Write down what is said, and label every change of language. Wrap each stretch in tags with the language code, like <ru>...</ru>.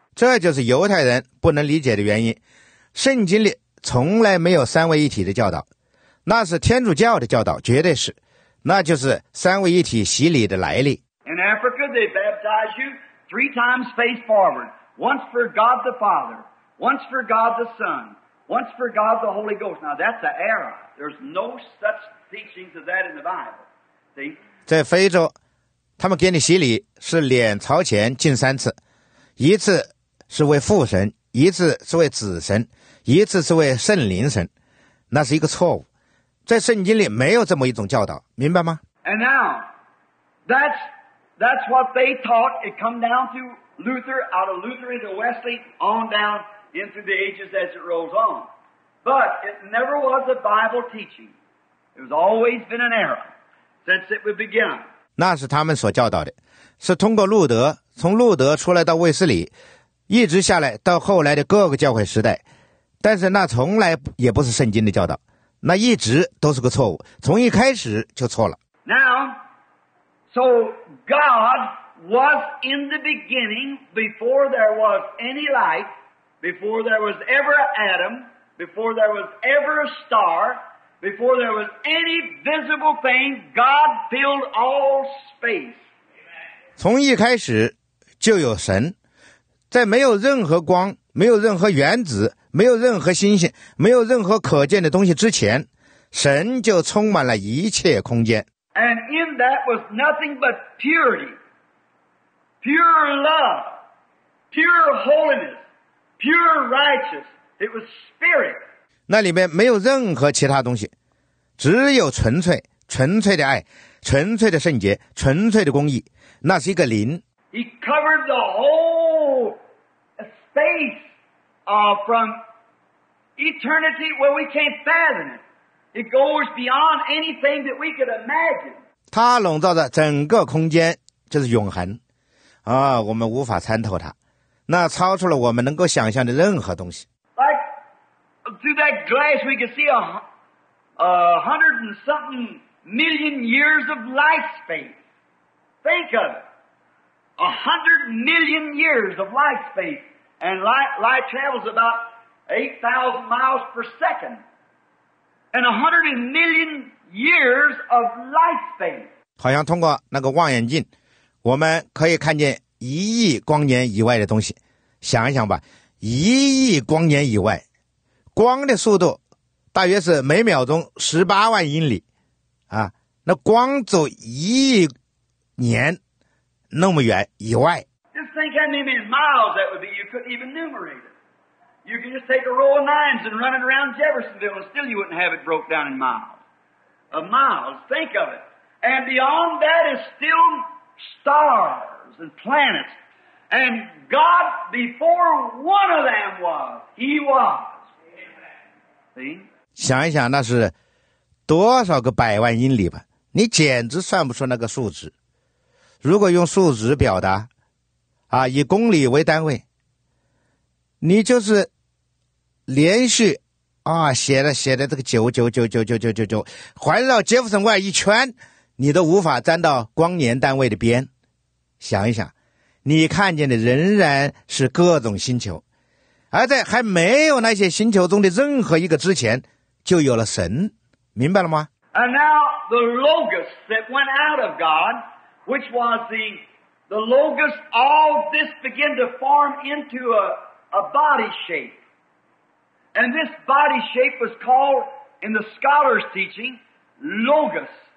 <zh>这就是犹太人不能理解的原因。圣经里从来没有三位一体的教导，那是天主教的教导，绝对是。那就是三位一体洗礼的来历。</zh> <en>In Africa, they baptize you three times face forward. Once for God the Father, once for God the Son. Once for God the Holy Ghost. Now that's an error. There's no such teachings of that in the Bible. See?</en> <zh>在非洲，他们给你洗礼是脸朝前浸三次，一次是为父神，一次是为子神，一次是为圣灵神。那是一个错误。在圣经里没有这么一种教导，明白吗？</zh> <en>And now, that's what they taught. It come down to Luther, out of Luther into Wesley, on down. Into the ages as it rolls on. But it never was a Bible teaching. It has always been an error since it would begin.</en> <zh>那是他们所教导的，是通过路德，从路德出来到卫斯理，一直下来到后来的各个教会时代。但是那从来也不是圣经的教导，那一直都是个错误，从一开始就错了。</zh> <en>Now, so God was in the beginning before there was any light. Before there was ever Adam, before there was ever a star, before there was any visible thing, God filled all space.</en> <zh>从一开始就有神，在没有任何光、没有任何原子、没有任何星星、没有任何可见的东西之前，神就充满了一切空间。</zh> <en>And in that was nothing but purity, pure love, pure holiness. Pure righteous, it was spirit.</en> <zh>那里面没有任何其他东西，只有纯粹，纯粹的爱，纯粹的圣洁，纯粹的公义。那是一个灵。</zh> <en>He covered the whole space, from eternity where we can't fathom it. It goes beyond anything that we could imagine.</en> <zh>他笼罩着整个空间，就是永恒，我们无法参透它。那超出了我们能够想象的任何东西。</zh> <en>Like, through that glass, we could see a hundred and something million years of light space. Think of it. A hundred million years of light space. And light travels about 8,000 miles per second. And a hundred and million years of light space.</en> <zh>好像通过那个望远镜，我们可以看见一亿光年以外的东西。想一想吧，一亿光年以外，光的速度大约是每秒钟18万英里，啊，那光走一亿年那么远以外。</zh> <en>Just think how many miles that would be. You couldn't even numerate it. You can just take a roll of nines and run it around Jeffersonville, and still you wouldn't have it broke down in miles. Of miles, think of it. And beyond that is still stars and planets. And God, before one of them was, he was. See?</en> <zh>想一想，那是多少个百万英里吧？你简直算不出那个数值。如果用数值表达，啊，以公里为单位，你就是连续啊，写的这个9999999999，环绕杰弗森外一圈，你都无法沾到光年单位的边。想一想，你看见的仍然是各种星球，而在还没有那些星球中的任何一个之前，就有了神，明白了吗？</zh> <en>And now the logos that went out of God, which was the logos, all this began to form into a body shape. And this body shape was called, in the scholar's teaching, logos.</en>